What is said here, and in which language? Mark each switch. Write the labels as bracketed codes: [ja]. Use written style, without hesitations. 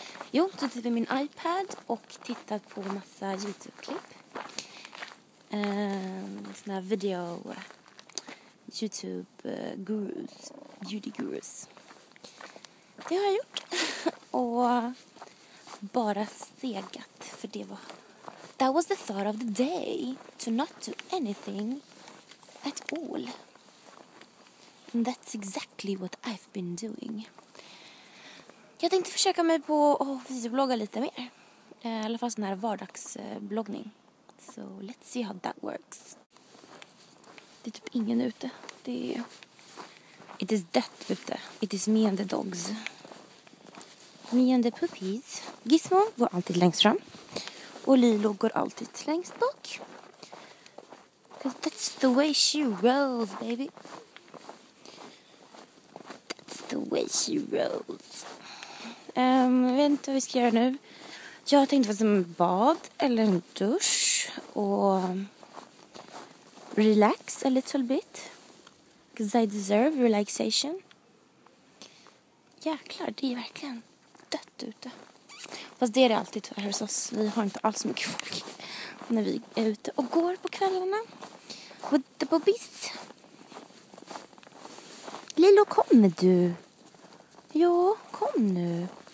[sv] Jo, suttit vid min iPad och tittat på massa YouTube-klipp. Såna här video YouTube-gurus, beauty-gurus. Det har jag gjort. Och bara segat, för det var... [en] That was the thought of the day, to not do anything at all. And that's exactly what I've been doing. [sv] Jag tänkte försöka mig på att videoblogga lite mer. I alla fall sån här vardagsbloggning. [en] So let's see how that works. [sv] Det är typ ingen ute. Det är... [en] It is [sv] dött ute. [en] It is me and the dogs. Me and the puppies. [sv] Gizmo går alltid längst fram. Och Lilo går alltid längst bak. [en] Cause that's the way she rolls, baby. The way she rolls. [sv] Jag vet inte vad vi ska göra nu. Jag tänkte vara som en bad eller en dusch och [en] relax a little bit. Because I deserve relaxation. [sv] Jäklar, det är verkligen dött ute. Fast det är det alltid tyvärr hos oss. Vi har inte alls mycket folk när vi är ute och går på kvällarna. [en] With the bobbies. [sv] Lilo, kommer du? Ja, kom nu.